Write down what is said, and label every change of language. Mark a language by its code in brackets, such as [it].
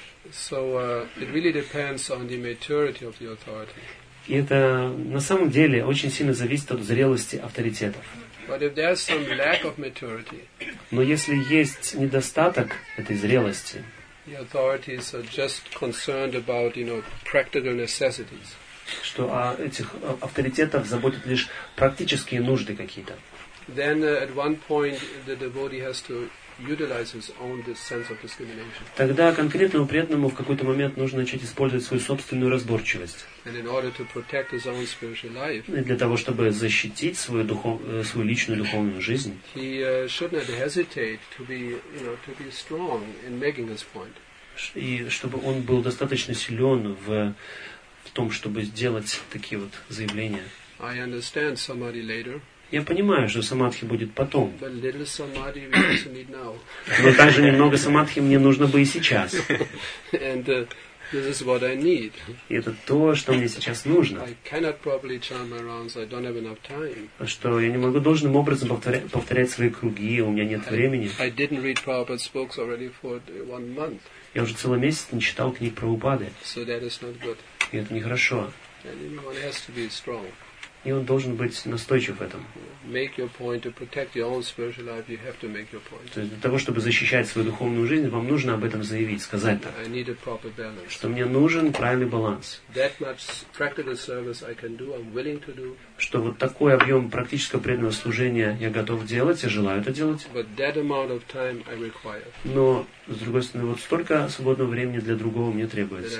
[en] So it really depends on the maturity of the authority. [ru] И это на самом деле очень сильно зависит от зрелости авторитетов. [en] But if there's some lack of maturity, [ru] но если есть недостаток этой зрелости, [en] the authorities are just concerned about, you know, practical necessities. [ru] Что о этих авторитетов заботят лишь практические нужды какие-то. [en] Then at one point the devotee has to utilize his own sense of discrimination. [ru] Тогда конкретному преданному в какой-то момент нужно начать использовать свою собственную разборчивость. [en] And in order to protect his own spiritual life. [ru] И для того, чтобы защитить свою личную духовную жизнь. [en] He should not hesitate to be, you know, to be strong in making his point. [ru] И чтобы он был достаточно силен в том, чтобы сделать такие вот заявления. [en] I understand somebody later. [ru] Я понимаю, что самадхи будет потом. [en] But little samadhi we also need now. [ru] Но также немного самадхи мне нужно бы и сейчас. [en] And this is what I need. [ru] И это то, что мне сейчас нужно. [en] I cannot properly chant my rounds, I don't have enough time. [ru] Что я не могу должным образом повторять свои круги, у меня нет времени. [en] I didn't read Prabhupada's books already for one month. [ru] Я уже целый месяц не читал книг Прабхупады. [en] So that is not good. [ru] И это нехорошо. [en] And everyone has to be strong. [ru] И он должен быть настойчив в этом. [en] Make your point to protect your own spiritual life. You have to make your point. [ru] То есть для того, чтобы защищать свою духовную жизнь, вам нужно об этом заявить, сказать так. [en] I need a proper balance. [ru] Что мне нужен правильный баланс. [en] That much practical service I can do, I'm willing to do. [ru] Что вот такой объем практического преданного служения я готов делать, я желаю это делать. [en] But that amount of time I require. [ru] Но с другой стороны, вот столько свободного времени для другого мне требуется.